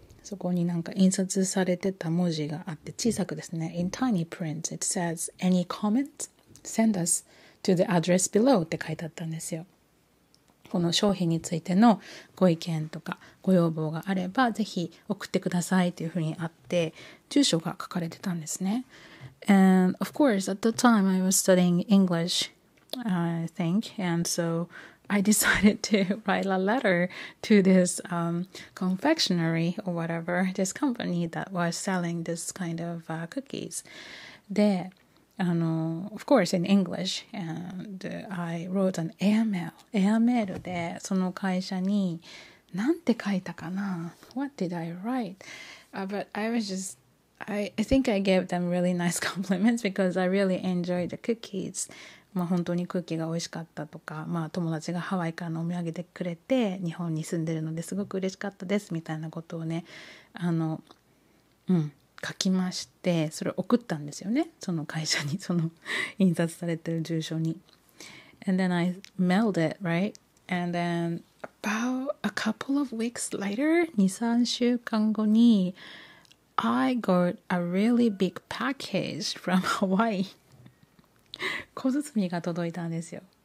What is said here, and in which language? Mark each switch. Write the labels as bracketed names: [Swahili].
[Japanese] そこになんか印刷されてた文字があって、小さくですね、 [English] In tiny print it says any comments send us to the address below [Japanese] って書いてあったんですよ。この商品についてのご意見とかご要望があればぜひ送ってくださいというふうにあって、住所が書かれてたんですね。 [English] And of course at the time I was studying English I think and soI decided to write a letter to this confectionery or whatever, this company that was selling this kind of cookies. で、あの、of course, in English, and I wrote an [Japanese] エアメールで、その会社に、なんて書いたかな? [English] What did I write? But I was just, I think I gave them really nice compliments because I really enjoyed the cookies. [Japanese] まあ、本当にクッキーが美味しかったとか、まあ、友達がハワイからのお土産でくれて日本に住んでるのですごく嬉しかったですみたいなことをね、あの、書きまして、それを送ったんですよね、その会社に、その印刷されてる住所に。 [English] And then I mailed it, right? And then about a couple of weeks later, [Japanese] 2-3 週間後に [English] I got a really big package from Hawaii. [Japanese] 小包が届いたんですよ。